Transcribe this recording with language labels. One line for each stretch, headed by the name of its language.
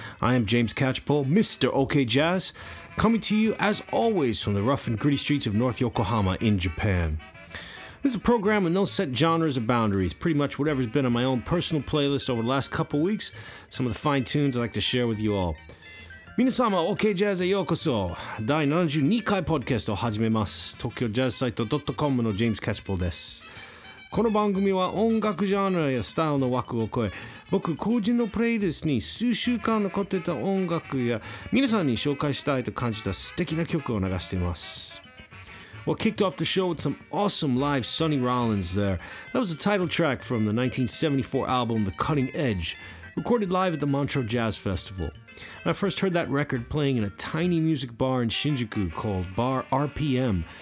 English: I am James Catchpole, Mr. OK Jazz, coming to you as always from the rough and gritty streets of North Yokohama in Japan. This is a program with no set genres or boundaries, pretty much whatever's been on my own personal playlist over the last couple weeks, some of the fine tunes I'd like to share with you all.
Japanese: Minasama, OK Jazz e yokoso. 第72回ポッドキャストを始めます。 tokyojazzsite.com のジェームズ・キャッチポールです。この番組は音楽ジャンルやスタイルの枠を超え、僕個人のプレイリストに数週間残ってた音楽や皆さんに紹介したいと感じた素敵な曲を流しています。
English: Well, kicked off the show with some awesome live Sonny Rollins there. That was the title track from the 1974 album The Cutting Edge, recorded live at the Montreux Jazz Festival. And I first heard that record playing in a tiny music bar in Shinjuku called Bar RPM.